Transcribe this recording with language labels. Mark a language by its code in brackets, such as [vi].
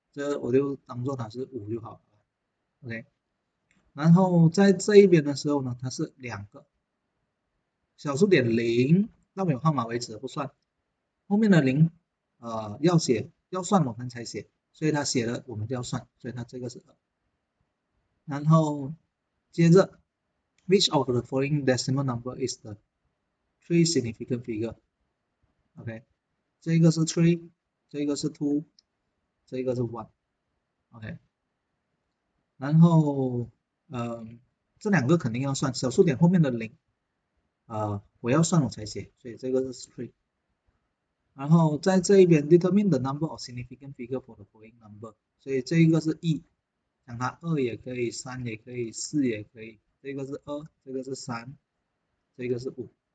[zh] 这我就当做它是五就好了，OK。然后在这一边的时候呢，它是两个，小数点零到没有号码为止不算，后面的零要写要算我们才写，所以它写了我们就要算，所以它这个是二。然后接着， [en] which of the following decimal number is the three significant figure？ [zh] OK，这个是 three，这个是 two，这个是 one。 OK，然后，这两个肯定要算，小数点后面的零，我要算我才写，所以这个是 three。然后在这一边， [en] determine the number of significant figure for the following number， [zh] 所以这一个是一，讲它二也可以，三也可以，四也可以，这个是二，这个是三，这个是五。